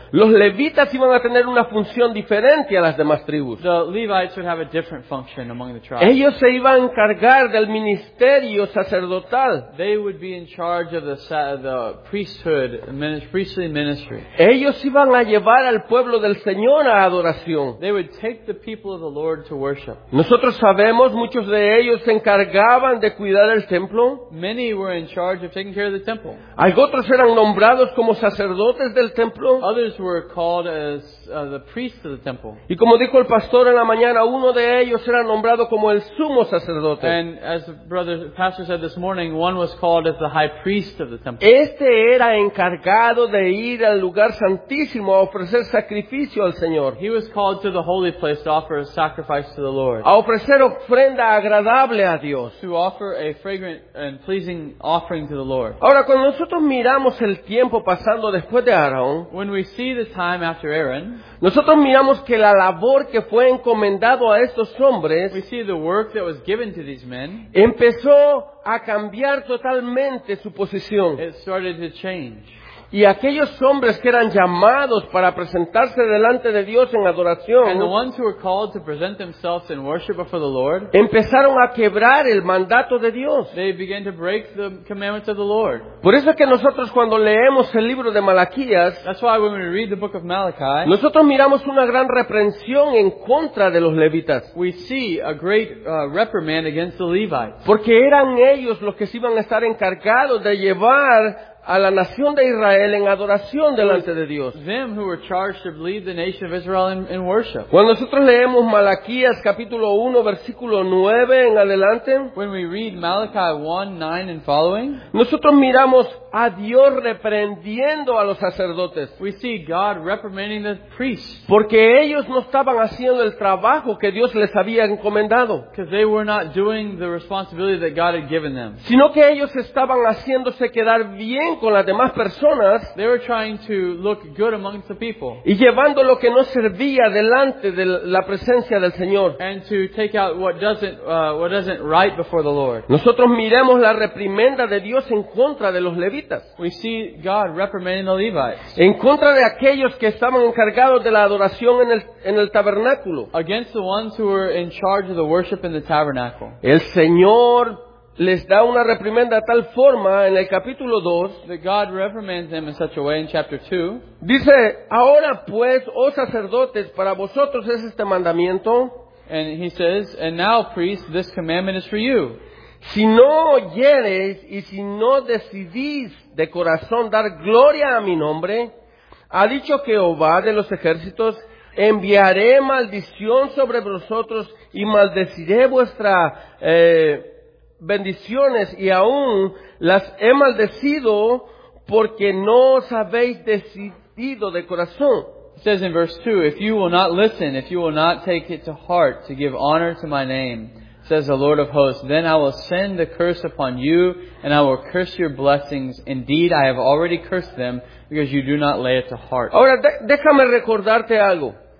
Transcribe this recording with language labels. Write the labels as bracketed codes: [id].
[es] los levitas iban a tener una función diferente a las demás tribus. [en] The Levites would have a different function among the tribes. [es] Ellos se iban a encargar del ministerio sacerdotal. [en] They would be in charge of the priesthood, priestly ministry. [es] Ellos iban a llevar al pueblo del Señor a adoración. [en] They would take the people of the Lord to worship. [es] Nosotros sabemos muchos de ellos se encargaban de cuidar el templo. [en] Many were in charge of taking care of the temple. [es] Algunos eran nombrados como sacerdotes del templo. [en] Others were called as the priests of the temple. [es] Y como dijo el pastor en la mañana, uno de ellos era nombrado como el sumo sacerdote. [en] And as the pastor said this morning, one was called as the high priest of the temple. [es] Este era encargado de ir al lugar santísimo a ofrecer sacrificio al Señor. [en] He was called to the holy place to offer a sacrifice to the Lord. [es] A ofrecer ofrenda agradable a Dios. [en] To offer a fragrant and pleasing offering to the Lord. [es] Ahora, cuando nosotros miramos el tiempo pasando después de Aarón, [en] when we see the time after Aaron, [es] nosotros miramos que la labor que fue encomendado a estos hombres, [en] we see the work that was given to these men, [es] empezó a cambiar totalmente su posición. [en] It started to change. [es] Y aquellos hombres que eran llamados para presentarse delante de Dios en adoración, [en] and the ones who were called to present themselves in worship before the Lord, [es] empezaron a quebrar el mandato de Dios. [en] They began to break the commandments of the Lord. [es] Por eso es que nosotros cuando leemos el libro de Malaquías, [en] that's why when we read the book of Malachi, [es] nosotros miramos una gran reprensión en contra de los levitas. [en] We see a great reprimand against the Levites. [es] Porque eran ellos los que se iban a estar encargados de llevar a la nación de Israel en adoración delante de Dios. [en] Them who were charged to lead the nation of Israel in worship. [es] Cuando nosotros leemos Malaquías capítulo 1 versículo 9 en adelante, [en] when we read Malachi 1, 9 and following, [es] nosotros miramos a Dios reprendiendo a los sacerdotes. [en] We see God reprimanding the priests. [es] Porque ellos no estaban haciendo el trabajo que Dios les había encomendado. [en] Because they were not doing the responsibility that God had given them. [es] Sino que ellos estaban haciéndose quedar bien con las demás personas, [en] they were trying to look good amongst the people, [es] y llevando lo que no servía delante de la presencia del Señor, [en] and to take out what doesn't right before the Lord. [es] Nosotros miremos la reprimenda de Dios en contra de los levitas. [en] We see God reprimanding the Levites. [es] En contra de aquellos que estaban encargados de la adoración en el tabernáculo. [en] Against the ones who were in charge of the worship in the tabernacle. [es] El Señor les da una reprimenda tal forma en el capítulo 2. [en] That God reprimands them in such a way in chapter 2. [es] Dice, ahora pues, oh sacerdotes, para vosotros es este mandamiento. [en] And he says, and now priests, this commandment is for you. [es] Si no oyereis y si no decidís de corazón dar gloria a mi nombre, ha dicho Jehová de los ejércitos, enviaré maldición sobre vosotros y maldeciré vuestras bendiciones, y aún las he maldecido porque no os habéis decidido de corazón. [en] It says in verse 2, if you will not listen, if you will not take it to heart to give honor to my name, says the Lord of hosts, then I will send the curse upon you and I will curse your blessings. Indeed, I have already cursed them because you do not lay it to heart. [es] Ahora, déjame recordarte algo.